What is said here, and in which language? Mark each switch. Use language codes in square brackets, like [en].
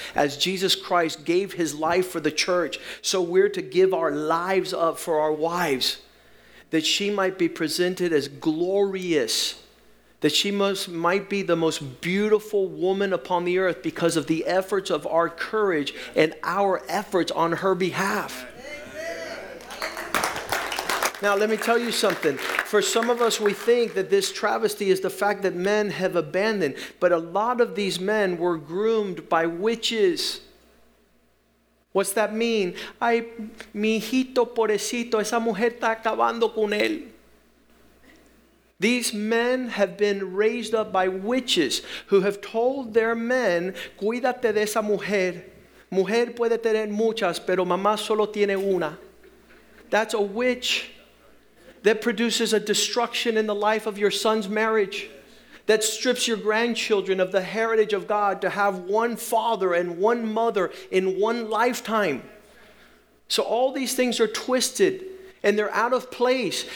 [en] As Jesus Christ gave his life for the church, so we're to give our lives up for our wives, that she might be presented as glorious, that she might be the most beautiful woman upon the earth because of the efforts of our courage and our efforts on her behalf. Now, let me tell you something. For some of us, we think that this travesty is the fact that men have abandoned, but a lot of these men were groomed by witches. What's that mean? [es] Ay, mijito, pobrecito, esa mujer está acabando con él. [en] These men have been raised up by witches who have told their men, [es] cuídate de esa mujer. Mujer puede tener muchas, pero mamá solo tiene una. [en] That's a witch that produces a destruction in the life of your son's marriage, that strips your grandchildren of the heritage of God to have one father and one mother in one lifetime. So all these things are twisted and they're out of place.